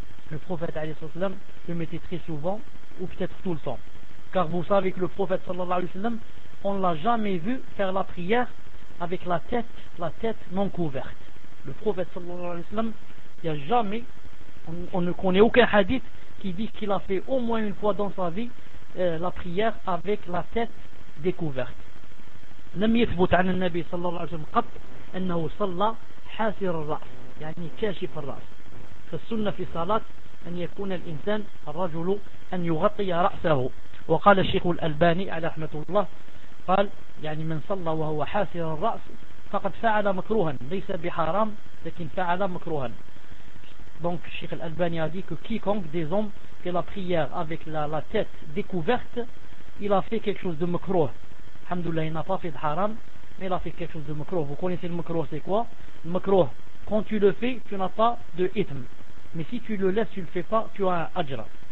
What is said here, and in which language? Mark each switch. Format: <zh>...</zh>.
<fr>Le prophète alayhi sallam le mettait très souvent ou peut-être tout le temps, car vous savez que le prophète sallallahu alayhi sallam, on l'a jamais vu faire la prière avec la tête non couverte. Le prophète sallallahu alayhi sallam, il y a jamais, on ne connaît aucun hadith qui dit qu'il a fait au moins une fois dans sa vie la prière avec la tête découverte.</fr> <ar>لم يثبت عن النبي صلى الله عليه وسلم قط انه صلى حاسر الرأس يعني كاشف الرأس. السنة في صلاة أن يكون الإنسان الرجل أن يغطي رأسه. وقال الشيخ الألباني على رحمة الله قال يعني من صلى وهو حاسر الرأس فقد فعل مكروها, ليس بحرام لكن فعل مكروها.</ar> <fr>donc الشيخ الألباني a dit que quiconque des hommes qui la prière avec la tête découverte, il a fait quelque chose de makrouh.</fr> <ar>الحمد لله,</ar> <fr>il n'a pas fait de haram, mais il a fait quelque chose de makrouh. Vous connaissez le makrouh, c'est quoi? Makrouh, quand tu le fais, tu n'as pas de hitm. Mais si tu le laisses, tu ne le fais pas, tu as un ajra.</fr>